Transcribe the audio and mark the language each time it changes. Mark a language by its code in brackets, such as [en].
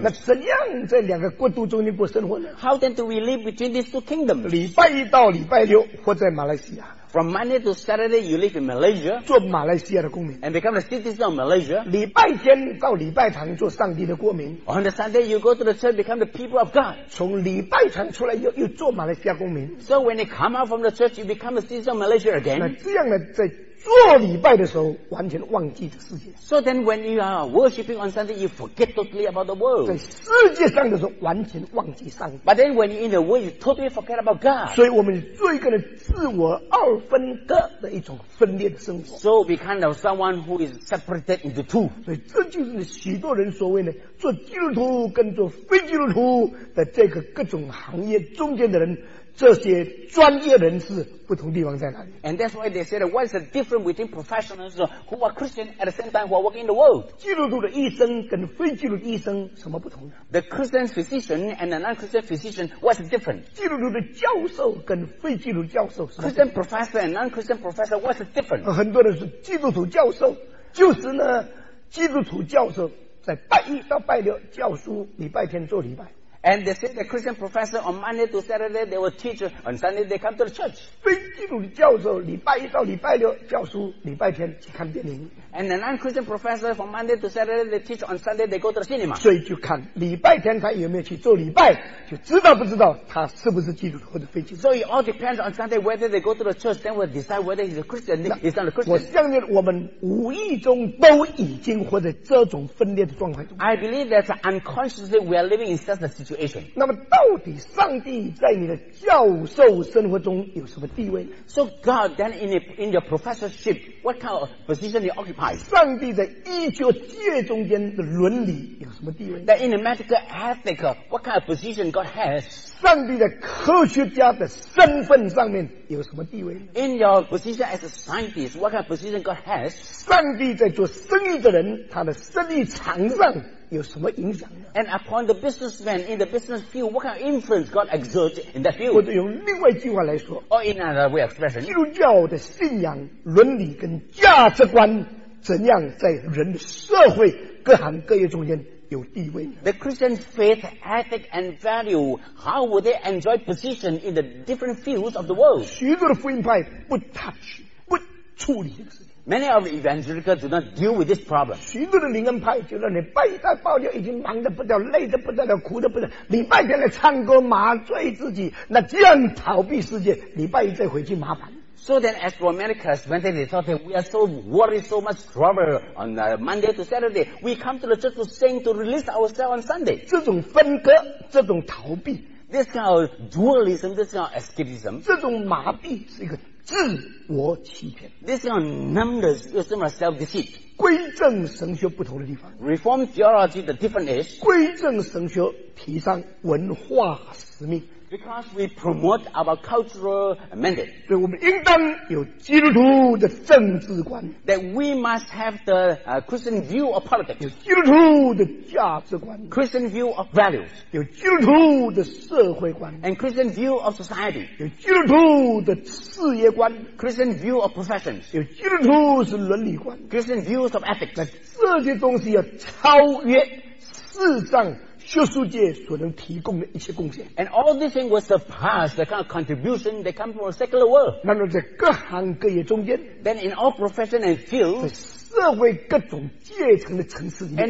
[zh] 那怎样在两个国度中间过生活呢 [en] ？How then do we live between these two kingdoms? [zh] 礼拜一到礼拜六，活在马来西亚。 [en] From Monday to Saturday, you live in Malaysia. [zh] 做马来西亚的公民。 [en] And become a citizen of Malaysia. [zh] 礼拜天到礼拜堂做上帝的国民。 [en] On the Sunday, you go to the church, become the people of God. [zh] 从礼拜堂出来又做马来西亚公民。 [en] So when you come out from the church, you become a citizen of Malaysia again. [zh] 那这样呢，在做礼拜的时候完全忘记的事情。 [en] So then when you are worshipping on Sunday, you forget totally about the world. [zh] 在世界上的时候完全忘记上帝。 [en] But then when you're in the world, you totally forget about God. [zh] 所以我们做一个自我二分割的一种分裂的生活。 [en] So we kind of someone who is separated into two. [zh] 所以这就是许多人所谓的做基督徒跟做非基督徒的这个各种行业中间的人，这些专业人士不同地方在哪里。 [en] And that's why they said, what's the difference between professionals who are Christian at the same time who are working in the world? [zh] 基督徒的医生跟非基督徒医生什么不同呢？ [en] The Christian physician and the non-Christian physician, what's the difference? [zh] 基督徒的教授跟非基督徒教授什么？ [en] Christian professor and non-Christian professor, what's the difference? [zh] 很多人是基督徒教授，就是呢，基督徒教授在拜一到拜六教书，礼拜天做礼拜。 [en] And they say the Christian professor on Monday to Saturday they will teach, on Sunday they come to the church. [zh] 非基督教授礼拜一到礼拜六教书，礼拜天去看电影。 [en] And the non-Christian professor from Monday to Saturday they teach, on Sunday they go to the cinema. [zh] 所以就看礼拜天他有没有去做礼拜，就知道不知道他是不是基督徒或者非基督徒。 [en] So it all depends on Sunday whether they go to the church, then will decide whether he's a Christian or he's not a Christian. [zh] 我相信我们无意中都已经活在这种分裂的状态中。 [en] I believe that unconsciously we are living in such a situation. [zh] 那么到底上帝在你的教授生活中有什么地位？ [en] So God then in your professorship, what kind of position you occupy? [zh] 上帝在医学界中间的伦理有什么地位？ [en] That in the medical ethic, what kind of position God has? [zh] 上帝在科学家的身份上面有什么地位？ [en] In your position as a scientist, what kind of position God has? [zh] 上帝在做生意的人他的生意场上有什么影响呢？ [en] And upon the businessman in the business field, what kind of influence God exerts in that field? [zh] 或者用另外一句话来说， [en] or in another way expression, [zh] 基督教的信仰、伦理跟价值观怎样在人社会各行各业中间有地位呢？ [en] The Christian faith, ethic and value, how would they enjoy position in the different fields of the world? [zh] 许多的福音派不 touch, 不处理这个事。 [en] Many of the evangelicals do not deal with this problem. [zh] 许多的灵恩派就让你拜一到拜六已经忙得不得了，累得不得了，苦得不得了。礼拜天来唱歌麻醉自己，那这样逃避世界，礼拜一再回去麻烦。 [en] So then, as for Americans, when they thought that we are so worried, so much trouble on Monday to Saturday, we come to the church to sing to release ourselves on Sunday. [zh] 这种分割，这种逃避 [en] ，this kind of dualism, this kind of escapism, [zh] 这种麻痹是一个。自我欺骗 [en] This kind of numbness is some self-deceit [zh] 归正神学不同的地方 [en] Reform theology the difference is [zh] 归正神学提倡文化使命 [en] Because we promote our cultural mandate [zh] 所以我们应当有基督徒的政治观 [en] That we must have the Christian view of politics [zh] 有基督徒的价值观 [en] Christian view of values [zh] 有基督徒的社会观 [en] And Christian view of society [zh] 有基督徒的事业观 [en] Christian view of professions [zh] 有基督徒是伦理观 [en] Christian views of ethics [zh] 那这些东西要超越世上学术界所能提供的一些贡献 [en] and all these things will surpass the kind of contribution that come from a secular world [zh] 那么在各行各业中间 [en] then in all professions and fields [zh] 在社会各种阶层的层次里面